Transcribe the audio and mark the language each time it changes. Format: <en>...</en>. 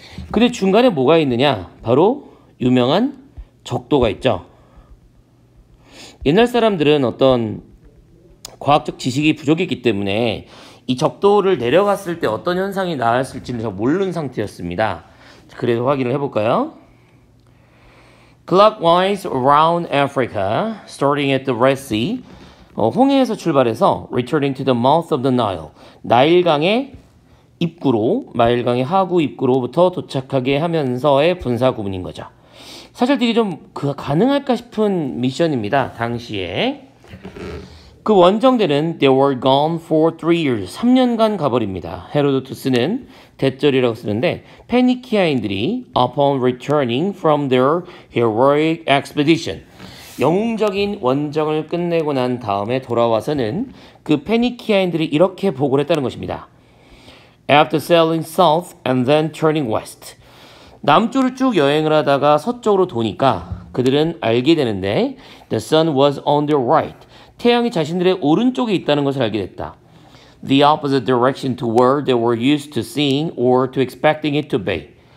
<ko>근데 중간에 뭐가 있느냐? 바로 유명한 적도가 있죠. 옛날 사람들은 어떤 과학적 지식이 부족했기 때문에 이 적도를 내려갔을 때 어떤 현상이 나왔을지는 잘 모르는 상태였습니다. 그래서 확인을 해볼까요?</ko> <en>Clockwise around Africa, starting at the Red Sea,</en> <ko>홍해에서 출발해서</ko> <en>returning to the mouth of the Nile,</en> <ko>나일강의 입구로, 나일강의 하구 입구로부터 도착하게 하면서의 분사 구문인 거죠. 사실 되게 좀 가능할까 싶은 미션입니다. 당시에. 그 원정대는</ko> <en>they were gone for 3 years.</en> <ko>3년간 가버립니다. 헤로도투스는 대절이라고 쓰는데 페니키아인들이</ko> <en>upon returning from their heroic expedition.</en> <ko>영웅적인 원정을 끝내고 난 다음에 돌아와서는 그 페니키아인들이 이렇게 보고를 했다는 것입니다.</ko> <en>After sailing south and then turning west.</en> <ko>남쪽을 쭉 여행을 하다가 서쪽으로 도니까 그들은 알게 되는데</ko> <en>the sun was on their right.</en> <ko>태양이 자신들의 오른쪽에 있다는 것을 알게 됐다.</ko> <en>The opposite direction to where they were used to seeing or to expecting it to be.</en>